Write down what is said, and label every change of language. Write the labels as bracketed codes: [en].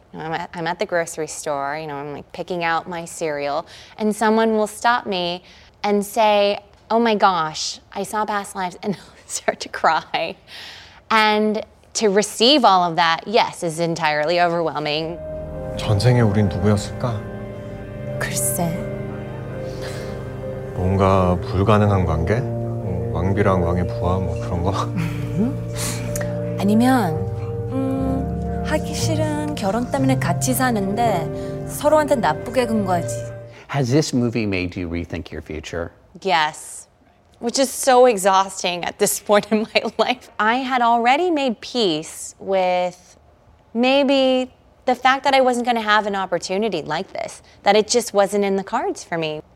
[en] You know, I'm at the grocery store, you know, I'm like picking out my cereal, and someone will stop me and say, oh my gosh, I saw Past Lives, and start to cry. And to receive all of that, yes, is entirely overwhelming. [ko] 전생에 우린 누구였을까? 글쎄. 뭔가 불가능한 관계? 왕비랑 왕의 부하 뭐 그런 거? 아니면 하기 싫은 결혼 때문에 같이 사는데 서로한테 나쁘게 군 거지. [en] Has this movie made you rethink your future? Yes. Which is so exhausting at this point in my life. I had already made peace with maybe the fact that I wasn't going to have an opportunity like this, that it just wasn't in the cards for me.